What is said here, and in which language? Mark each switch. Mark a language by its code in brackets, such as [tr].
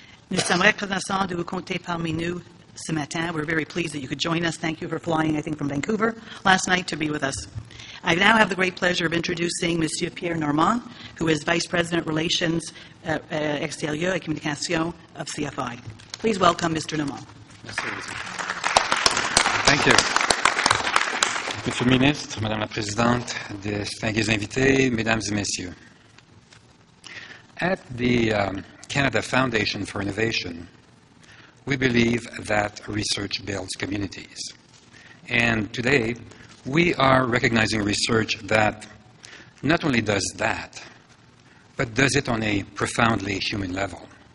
[fr] Nous sommes reconnaissants de vous compter parmi nous. Ce matin, [en] we're very pleased that you could join us. Thank you for flying, I think, from Vancouver last night to be with us. I now have the great pleasure of introducing Monsieur Pierre Normand, who is Vice President Relations at XDLU et Communication of CFI. Please welcome Mr. Normand. Thank you. [fr] Monsieur le Ministre, Madame la Présidente, distingués invités, Mesdames et Messieurs. [en] At the Canada Foundation for Innovation, we believe that research builds communities. And today, we are recognizing research that not only does that, but does it on a profoundly human level.